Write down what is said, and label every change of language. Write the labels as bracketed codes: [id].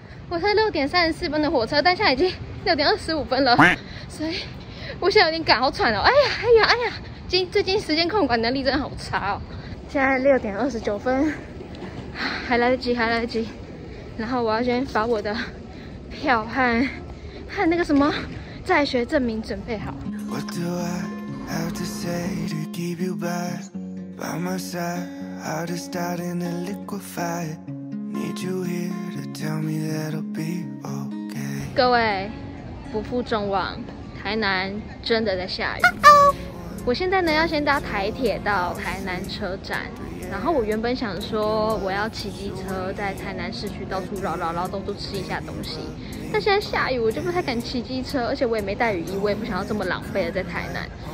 [zh] 我在6:34的火车，但现在已经6:25了，所以我现在有点赶，好喘哦。哎呀，哎呀，哎呀，最近时间控管能力真的好差哦。现在6:29，还来得及，还来得及。然后我要先把我的票和那个什么在学证明准备好。 [en] What do I have to say to keep you by my side?Heart is starting to liquefy. Need you here to tell me that'll be okay. [zh] 各位，不负众望，台南真的在下雨。我现在呢要先搭台铁到台南车站，然后我原本想说我要骑机车在台南市区到处绕绕绕，到处吃一下东西，但现在下雨，我就不太敢骑机车，而且我也没带雨衣，我也不想要这么浪费了在台南。